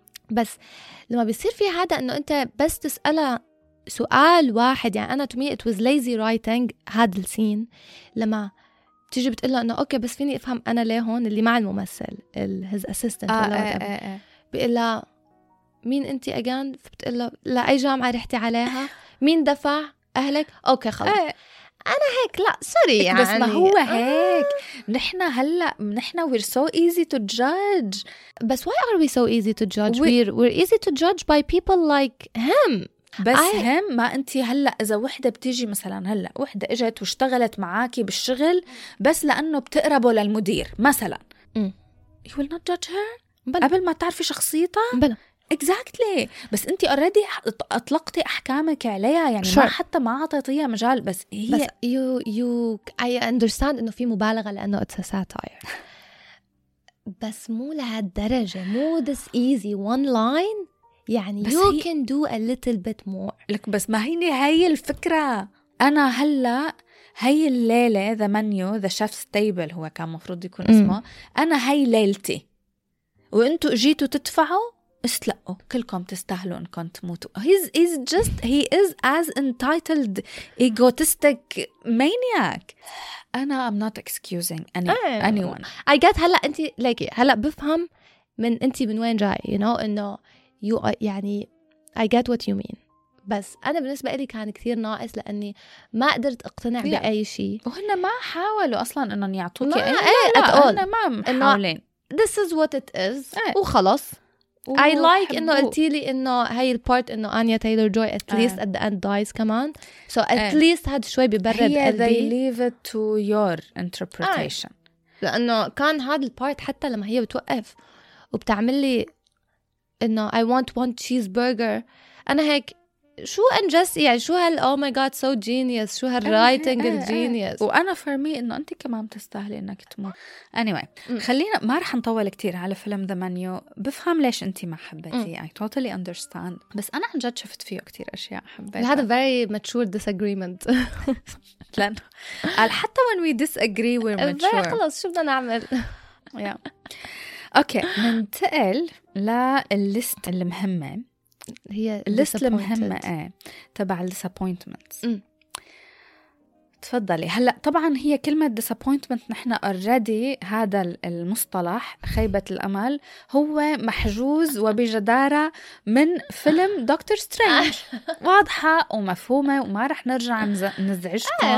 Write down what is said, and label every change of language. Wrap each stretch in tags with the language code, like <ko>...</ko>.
<ar>بس لما بيصير في هذا إنه أنت بس تسألها سؤال واحد يعني أنا</ar> <en>to me it was lazy writing</en> <ar>هاد السين لما تيجي بتقلها انه اوكي بس فيني افهم انا ليه هون اللي مع الممثل</ar> <en>his assistant</en> <ar>بيقلها مين انتي اجان بتقلها لأي جامعة رحتي عليها مين دفع اهلك اوكي خلاص انا هيك لا سوري يعني بس ما هو هيك نحنا هلأ نحنا</ar> <en>we're so easy to judge بس why are we so easy to judge we're easy to judge by people like him</en> <ar>بس هم ما انت هلا اذا وحده بتيجي مثلا هلا وحده اجت واشتغلت معاكي بالشغل بس لانه بتقربه للمدير مثلا</ar> <en>you will not judge her</en> <ar>قبل ما تعرفي شخصيتها بلا</ar> <en>exactly.</en> <ar>بس انت اوريدي اطلقتي احكامك عليها يعني sure. ما حتى ما اعطيتيها مجال بس هي</ar> <en>بس you I understand</en> <ar>انه في مبالغه لانه</ar> <en>it's a satire</en> <ar>بس مو لهالدرجه مو</ar> <en>this easy one line يعني you can do a little bit more.</en> <ar>لك بس ما هيني هاي الفكرة. أنا هلأ هاي الليلة the menu the chef's table هو كان مفروض يكون اسمه أنا هاي ليلتي وأنتوا جيتوا تدفعوا استلقوا كلكم تستاهلوا أنكم تموتوا.</ar> <en>he's just he is as entitled egotistic maniac. أنا I'm not excusing anyone.</en> <ar>I get هلأ أنتي لكي هلأ بفهم من أنتي من وين جاي</ar> <en>you know</en> <ar>إنه you are, يعني</ar> <en>I get what you mean.</en> <ar>بس أنا بالنسبة لي كان كثير ناقص لأني ما قدرت اقتنع بأي شيء. وهنا ما حاولوا أصلاً إنهم يعطوك أي أتقول. ما محاولين.</ar> <en>This is what it is. وخلص. I like</en> <ar>إنه قلتي لي إنه هاي البارت إنه آنيا تايلور جوي</ar> <en>at least at the end dies</en> <ar>كمان.</ar> <en>So at least</en> <ar>هاد شوي ببرد قلبي.</ar> <en>They leave it to your interpretation.</en> <ar>لأنه كان هاد البارت حتى لما هي بتوقف وبتعمل لي إنه</ar> <en>I want one cheeseburger</en> <ar>أنا هيك شو أنجس يعني شو هال</ar> <en>oh my god so genius</en> <ar>شو هالرايتنج الجينيوس وأنا</ar> <en>for me</en> <ar>إنه أنت كمان تستاهلي إنك تموت anyway خلينا ما رح نطول كتير على فيلم The Menu. بفهم ليش أنت ما حبيتي</ar> <en>I totally understand</en> <ar>بس أنا عن جد شفت فيه كتير أشياء حبيتها</ar> <en>هذا very mature disagreement</en> <ar>لأنه حتى</ar> <en>when we disagree we're mature</en> <ar>خلاص شو بدنا نعمل</ar> <en>yeah</en> <ar>أوكي ننتقل للليست المهمة. هي الليست المهمة تبع الديسابوينتمنت. تفضلي. هلا طبعا هي كلمة ديسابوينتمنت نحن اوريدي هذا المصطلح خيبة الأمل هو محجوز وبجدارة من فيلم دكتور سترينج واضحة ومفهومة وما رح نرجع نزعجكم.</ar>